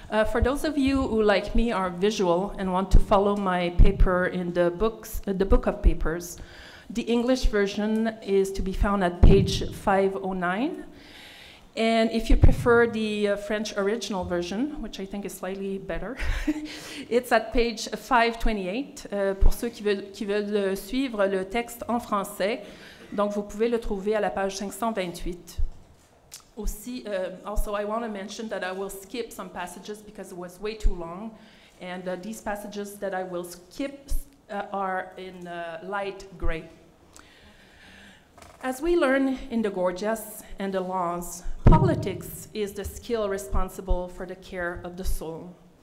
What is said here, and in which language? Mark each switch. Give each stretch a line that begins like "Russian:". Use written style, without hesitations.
English: For those of you who, like me, are visual and want to follow my paper in the books, the book of papers, the English version is to be found at page 509. And if you prefer the French original version, which I think is slightly better, it's at page 528.
French: Pour ceux qui veulent suivre le texte en français, donc vous pouvez le trouver à la page 528.
English: Also, I want to mention that I will skip some passages because it was way too long. And these passages that I will skip are in light gray. As we learn in the Gorgias and the Laws, politics is the skill responsible for the care of the soul.